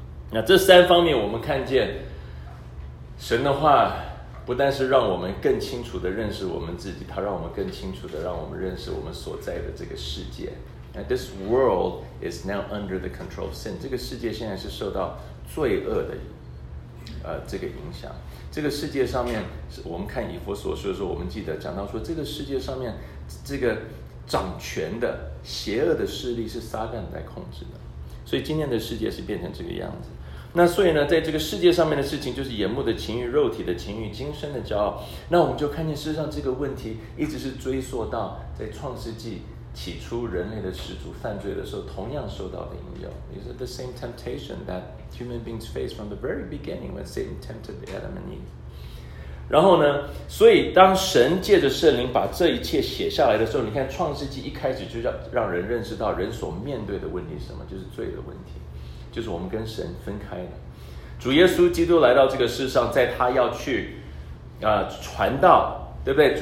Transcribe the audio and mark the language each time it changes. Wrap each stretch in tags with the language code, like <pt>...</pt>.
<zh>那这三方面我们看见神的话不但是让我们更清楚的认识我们自己，它让我们更清楚的让我们认识我们所在的这个世界。</zh> <en>And this world is now under the control of sin.</en> <zh>这个世界现在是受到罪恶的这个影响。这个世界上面，我们看以弗所书的时候，我们记得讲到说，这个世界上面这个掌权的邪恶的势力是撒旦在控制的。所以今天的世界是变成这个样子。那所以呢，在这个世界上面的事情，就是眼目的情欲、肉体的情欲、今生的骄傲。那我们就看见，事实上这个问题一直是追溯到在创世纪起初人类的始祖犯罪的时候，同样受到的引诱。</zh> <en>Is it the same temptation that human beings face from the very beginning when Satan tempted Adam and Eve?</en> <zh>然后呢，所以当神借着圣灵把这一切写下来的时候，你看创世纪一开始就让人认识到人所面对的问题是什么，就是罪的问题。就是我们跟神分开了，主耶稣基督来到这个世上，在他要去传道，对不对？</zh>